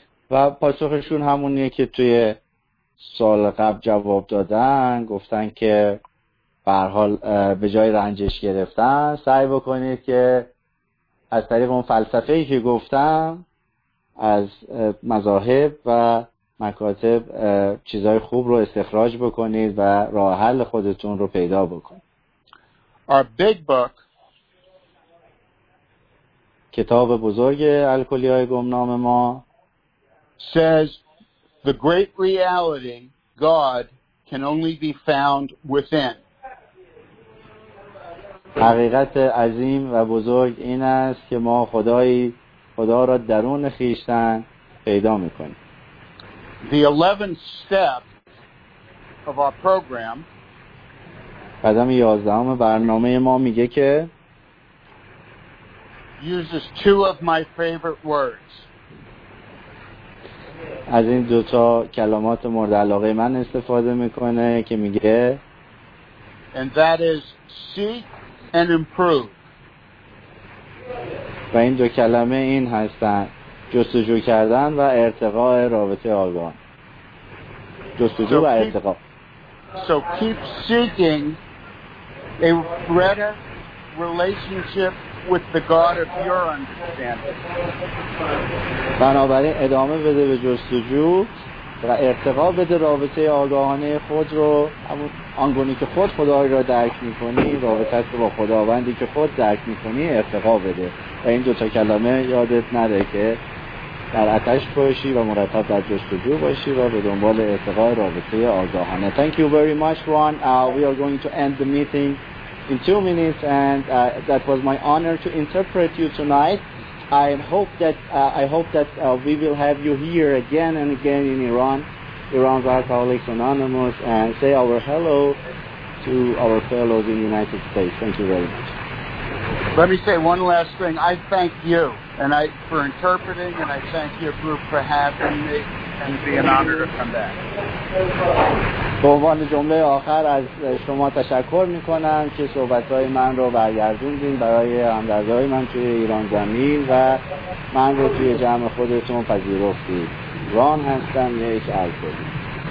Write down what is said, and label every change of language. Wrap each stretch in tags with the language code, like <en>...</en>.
<fa>و پاسخشون همونیه که توی سال قبل جواب دادن، گفتن که به هر حال به جای رنجش گرفتن سعی بکنید که از طریق اون فلسفه‌ای که گفتم از مذاهب و مکاتب چیزای خوب رو استخراج بکنید و راه حل خودتون رو پیدا بکنید.</fa> <en>Our big book.</en> <fa>کتاب بزرگ الکلی‌های گمنام ما</fa> <en>says the great reality God can only be found within.</en> <fa>حقیقت عظیم و بزرگ این است که ما خدا را درون خیشتن پیدا میکنیم.</fa> <en>The 11th step of our program.</en> <fa>قدم 11 برنامه ما میگه که</fa> <en>uses two of my favorite words.</en> <fa>از این دوتا کلمات مورد علاقه من استفاده میکنه که میگه</fa> <en>and that is seek and improve.</en> <fa>و این دو کلمه این هستن جستجو کردن و ارتقاء رابطه آگاهان. جستجو و ارتقاء.</fa> <en>So keep seeking a better relationship with the God of your understanding.</en> <fa>بنابراین ادامه بده به جستجو و ارتقا بده رابطه آگاهانه خود رو آنگونه که خود خدا را درک می‌کنی، رابطت با خداوندی که خود درک می‌کنی ارتقا بده. و این دو تا کلمه یادت نره که در آتش باشی و مرتب در جستجو باشی و به دنبال ارتقا رابطه آگاهانه.</fa> <en>Thank you very much, Ron. We are going to end the meeting in 2 minutes, and that was my honor to interpret you tonight. I hope that we will have you here again and again in Iran. Iran's Alcoholics Anonymous, and say our hello to our fellows in the United States. Thank you very much. Let me say one last thing. I thank you and I for interpreting, and I thank your group for having me, and it'd be an honor to come back.</en> <fa>به عنوان جمله آخر از شما تشکر میکنم که صحبتهای من رو برگردوندین برای همدردهای من توی ایران زمین و من رو توی جمع خودتون پذیرفتید. ران هستم، یک الکلی.</fa>